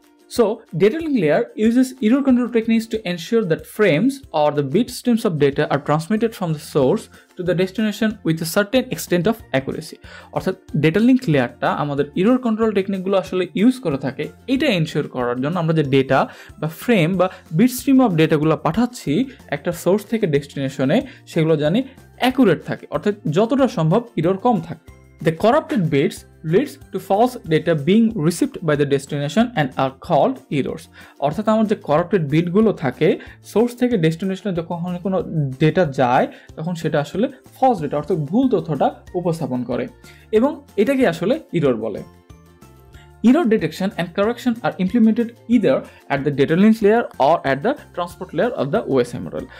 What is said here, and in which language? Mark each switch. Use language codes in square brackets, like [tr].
[en] So data link layer uses error control techniques to ensure that frames or the bit streams of data are transmitted from the source to the destination with a certain extent of accuracy. [bn] অর্থাৎ detailing ক্লিয়ারটা আমাদের error control টেকনিকগুলো আসলে use করে থাকে এটা ensure করার জন্য, আমরা যে ডেটা বা ফ্রেম বা বিট স্ট্রিম অফ ডেটাগুলো পাঠাচ্ছি একটা সোর্স থেকে ডেস্টিনেশনে, সেগুলো জানি অ্যাকুরেট থাকে, অর্থাৎ যতটা সম্ভব ইরর কম থাকে। [en] The corrupted bits leads to false data being received by the destination and are called errors. [bn] অর্থাৎ আমার যে corrupted bitগুলো থাকে সোর্স থেকে ডেস্টিনেশনে যখন কোনো ডেটা যায় তখন সেটা আসলে ফলস ডেটা, অর্থাৎ ভুল তথ্যটা উপস্থাপন করে এবং এটাকে আসলে ইরর বলে। [en] Error detection and correction are implemented either at the data link layer or at the transport layer of the OSMRL.